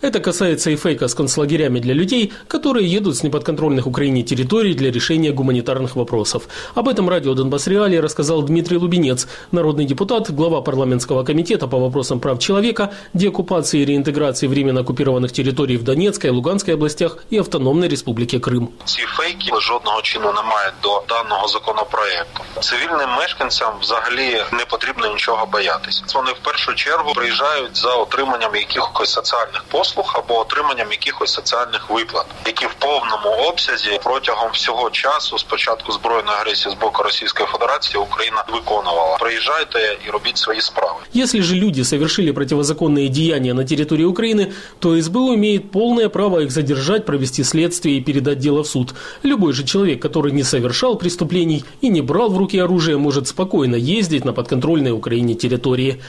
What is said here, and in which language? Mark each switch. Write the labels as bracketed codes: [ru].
[ru] Это касается и фейка с концлагерями для людей, которые едут с неподконтрольных Украине территорий для решения гуманитарных вопросов. Об этом радио Донбасс Реалии рассказал Дмитрий Лубинец, народный депутат, глава парламентского комитета по вопросам прав человека, деоккупации и реинтеграции временно оккупированных территорий в Донецкой, Луганской областях и Автономной Республике Крым. [uk] Ці фейки жодного чину немає до даного законопроекту. Цивільним мешканцям взагалі не потрібно нічого боятись. Вони в першу чергу приїжджають за отриманням якихось соціальних послуг або отриманням якихось соціальних виплат, які в повному обсязі протягом всього часу з початку збройної агресії з боку Російської Федерації Україна виконувала. Приїжджайте і робіть свої справи. [ru] Если же люди совершили противозаконные деяния на территории Украины, то СБУ имеет полное право их задержать, провести следствие и передать дело в суд. Любой же человек, который не совершал преступлений и не брал в руки оружие, может спокойно ездить на подконтрольной Украине территории.